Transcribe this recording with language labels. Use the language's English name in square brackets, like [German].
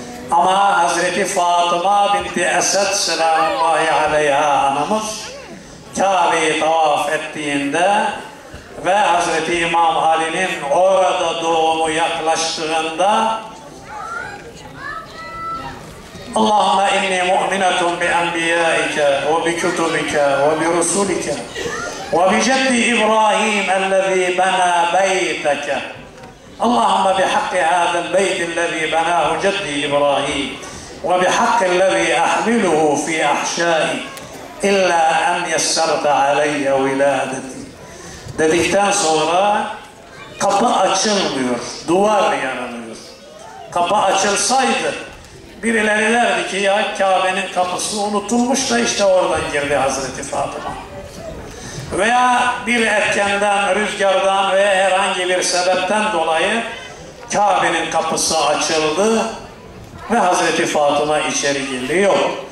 [Turkish] Ama Hazreti Fatıma binti Esed selamullahi aleyha anamız Kabe'yi tavaf ettiğinde ve Hazreti İmam Ali'nin orada doğumu yaklaştığında [Arabic] Allahümme inni mu'minetun bi enbiyaike ve bi kutubike ve bi rusulike ve bi ceddi İbrahim ellezî benâ beyteke. اللهم بحق هذا البيت الذي بناه جدي إبراهيم وبحق الذي أحمله في أحشائي إلا أن يسرت علي ولادتي. [Turkish] Dedikten sonra kapı açılmıyor, duvar yaralıyor. Kapı açılsaydı birileri derdi ki ya Kabe'nin kapısı unutulmuş da işte oradan girdi Hazreti Fatıma. Veya bir etkenden, rüzgardan veya herhangi bir sebepten dolayı Kabe'nin kapısı açıldı ve Hazreti Fatıma içeri girdi. Yok.